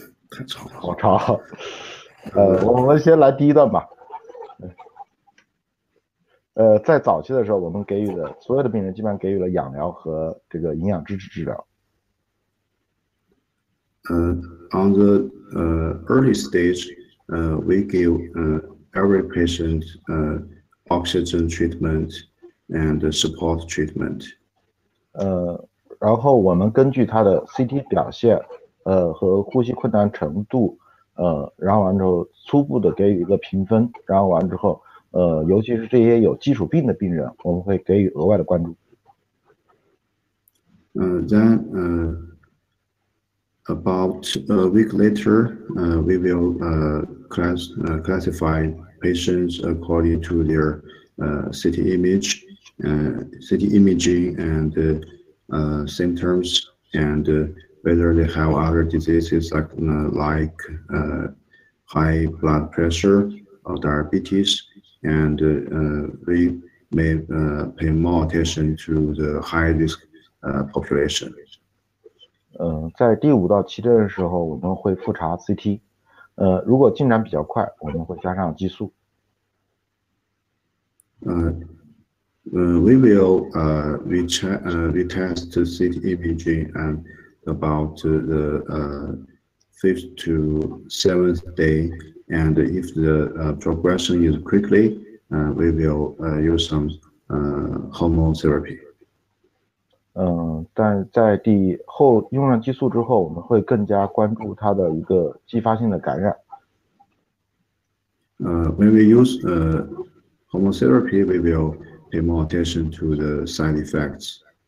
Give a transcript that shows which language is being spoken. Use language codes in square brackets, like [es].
[zh] 太吵了，好吵。我们先来第一段吧。在早期的时候，我们给予的所有的病人基本上给予了养疗和这个营养支持治疗。 [en] On the early stage, we give every patient oxygen treatment and support treatment. [zh] 然后我们根据他的 CT 表现。和呼吸困难程度，然后完之后初步的给予一个评分，然后完之后，尤其是这些有基础病的病人，我们会给予额外的关注。 [en] Then, about a week later, we will classify patients according to their CT image, CT imaging and symptoms and whether they have other diseases like high blood pressure or diabetes, and we may pay more attention to the high risk population. [zh] 在第五到七天的时候，我们会复查 CT。如果进展比较快，我们会加上激素。 [en] We will retest CT imaging and. About the fifth to seventh day, and if the progression is quickly, we will use some hormone therapy. [zh] 但在第后用上激素之后，我们会更加关注它的一个继发性的感染。 [en] When we use hormone therapy, we will pay more attention to the side effects.